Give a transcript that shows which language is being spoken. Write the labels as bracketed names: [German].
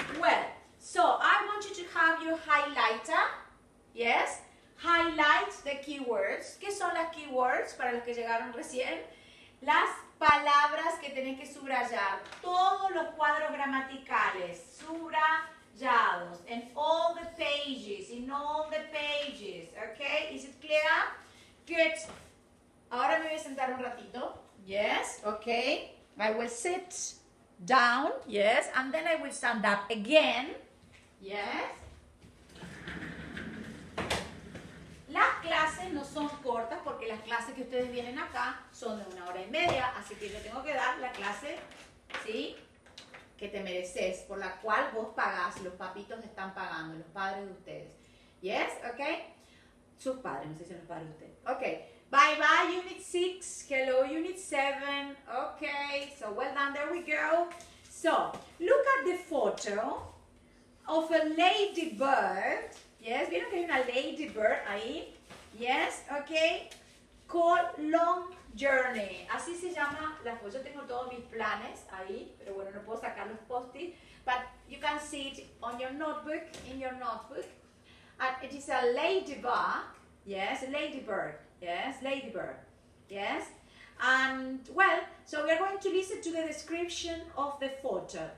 [English] Well, so I want you to have your highlighter. Yes? Highlight the keywords. [Spanish] ¿Qué son las keywords para los que llegaron recién? Las palabras que tenés que subrayar. Todos los cuadros gramaticales. Subrayados. [English] And all the pages, in all the pages, okay, is it clear? Good. [Spanish] Ahora me voy a sentar un ratito. [English] Yes, okay. I will sit down, yes, and then I will stand up again. Yes. [Spanish] Las clases no son cortas porque las clases que ustedes vienen acá son de una hora y media, así que yo tengo que dar la clase, ¿sí?, que te mereces, por la cual vos pagás, los papitos están pagando, los padres de ustedes. [English] Yes, okay? [Spanish] Sus padres, no sé si son los padres de ustedes. [English] Okay, bye bye Unit 6, hello Unit 7. Okay, so well done, there we go. So, look at the photo of a ladybird. [Spanish] Yes, ¿vieron que hay una ladybird ahí? [English] Yes, okay? Called Long Journey. [Spanish] Así se llama la foto. Yo tengo todos mis planes ahí, pero bueno, no puedo sacar los post-it. [English] But you can see it on your notebook, in your notebook. And it is a ladybug. Yes, a ladybird. Yes, ladybird. Yes. And, well, so we are going to listen to the description of the photo.